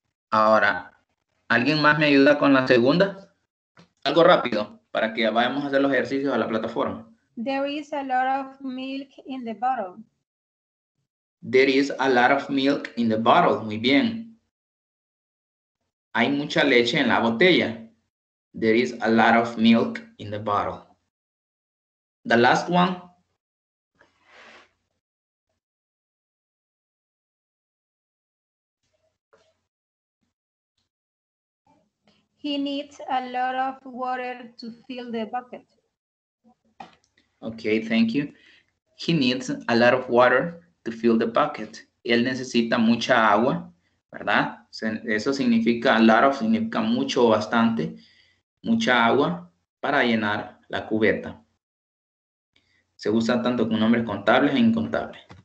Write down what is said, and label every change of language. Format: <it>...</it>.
<es>Ahora, ¿alguien más me ayuda con la segunda? Algo rápido para que vayamos a hacer los ejercicios a la plataforma.</es> <en>There is a lot of milk in the bottle. There is a lot of milk in the bottle. Muy bien. Hay mucha leche en la botella. There is a lot of milk in the bottle. The last one. He needs a lot of water to fill the bucket. Okay, thank you. He needs a lot of water to fill the bucket.</en> <es>Él necesita mucha agua, ¿verdad? Eso significa a lot of, significa mucho o bastante. Mucha agua para llenar la cubeta. Se usa tanto con nombres contables e incontables.</es>